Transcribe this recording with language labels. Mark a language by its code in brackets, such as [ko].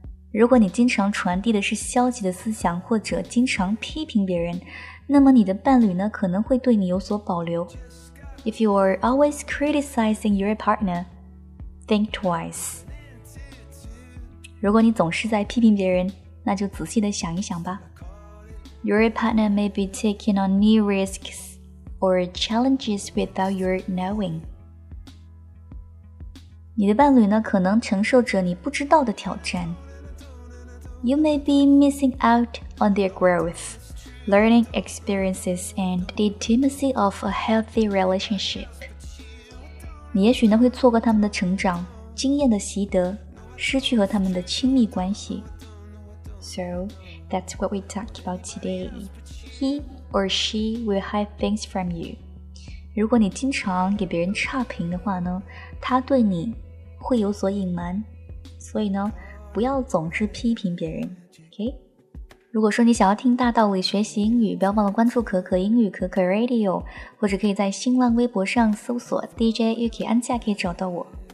[zh] 如果你经常传递的是消极的思想或者经常批评别人，那么你的伴侣呢可能会对你有所保留。 [en] If you are always criticizing your partner, think twice. [zh] 如果你总是在批评别人，那就仔细地想一想吧。 [en] Your partner may be taking on new risks or challenges without your knowing. [zh] 你的伴侣呢可能承受着你不知道的挑战。 [en] You may be missing out on their growth, learning experiences, and the intimacy of a healthy relationship. [zh] 你也许呢会错过他们的成长、经验的习得、失去和他们的亲密关系。 [en] So, that's what we talk about today. He or she will hide things from you. [zh] 如果你经常给别人差评的话呢，他对你会有所隐瞒。所以呢不要总是批评别人 ，OK？如果说你想要听大道理学习英语，不要忘了关注可可英语可可 Radio， 或者可以在新浪微博上搜索 DJ Yuki 安夏，可以找到我。